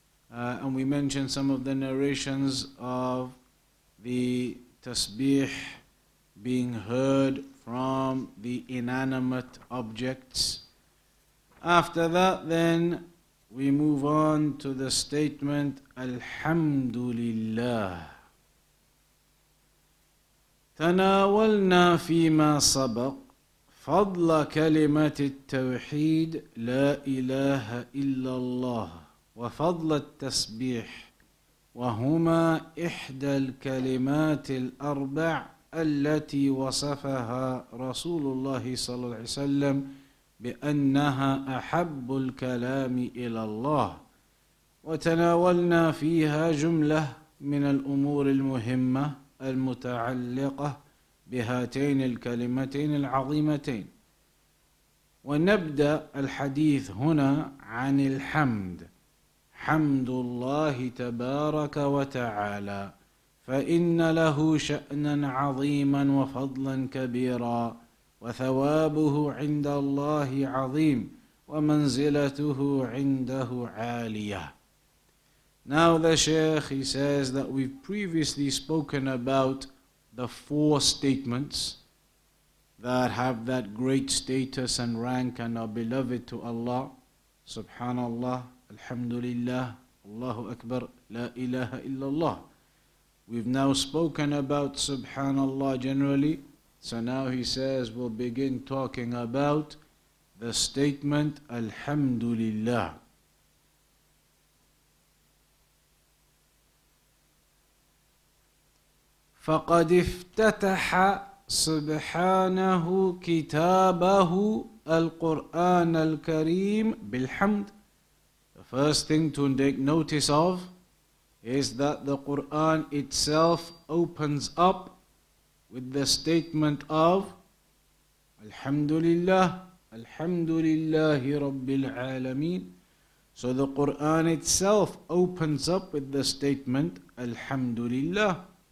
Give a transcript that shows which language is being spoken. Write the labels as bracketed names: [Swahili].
[English] And we mentioned some of the narrations of the tasbih being heard from the inanimate objects. After that, then we move on to the statement Alhamdulillah. [Arabic] تناولنا فيما سبق فضل كلمة التوحيد لا إله إلا الله وفضل التسبيح وهما إحدى الكلمات الأربع التي وصفها رسول الله صلى الله عليه وسلم بأنها أحب الكلام إلى الله وتناولنا فيها جملة من الأمور المهمة المتعلقة بهاتين الكلمتين العظيمتين ونبدأ الحديث هنا عن الحمد حمد الله تبارك وتعالى فإن له شأنا عظيما وفضلا كبيرا وثوابه عند الله عظيم ومنزلته عنده عالية. [English] Now the Shaykh, he says that we've previously spoken about the four statements that have that great status and rank and are beloved to Allah. Subhanallah, Alhamdulillah, Allahu Akbar, La ilaha illallah. We've now spoken about Subhanallah generally. So now he says we'll begin talking about the statement Alhamdulillah. [Arabic] فقد افتتح سبحانه كتابه القرآن الكريم بالحمد. [English] The first thing to take notice of is that the Quran itself opens up with the statement of Alhamdulillah, Alhamdulillahi Rabbil Alameen. So the Quran itself opens up with the statement Alhamdulillah.